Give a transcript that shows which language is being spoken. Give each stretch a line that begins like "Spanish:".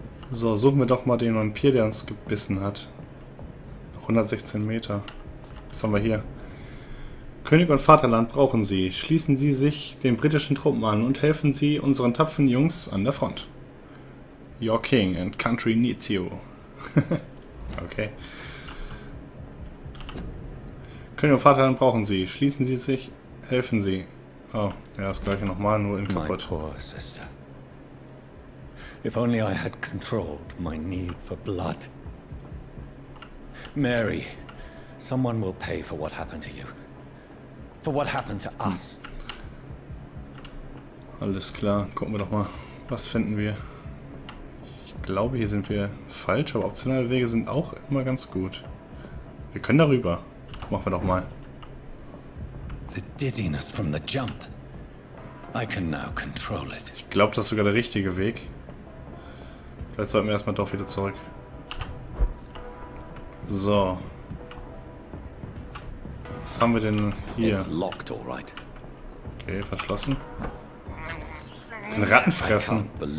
German: So, suchen wir doch mal den Vampir, der uns gebissen hat. 116 Meter. Was haben wir hier? König und Vaterland brauchen Sie. Schließen Sie sich den britischen Truppen an und helfen Sie unseren tapferen Jungs an der Front.
English: Your King and Country needs you. Okay.
German: König und Vaterland brauchen Sie. Schließen Sie sich, helfen Sie. Oh, ja, das gleiche nochmal, nur in kaputt.
English: My poor sister. If only I had controlled my need for blood. Mary, someone will pay for what happened to you. For what happened to us.
German: Alles klar, gucken wir doch mal, was finden wir. Ich glaube, hier sind wir falsch, aber optionale Wege sind auch immer ganz gut. Wir können darüber. Machen wir doch mal.
English: The dizziness from the jump. I can now control it.
German: Ich glaube, das ist sogar der richtige Weg. Vielleicht sollten wir erstmal doch wieder zurück. So. Was haben wir denn hier?
English: It's locked, all right.
German: Okay, verschlossen. Ein Ratten fressen.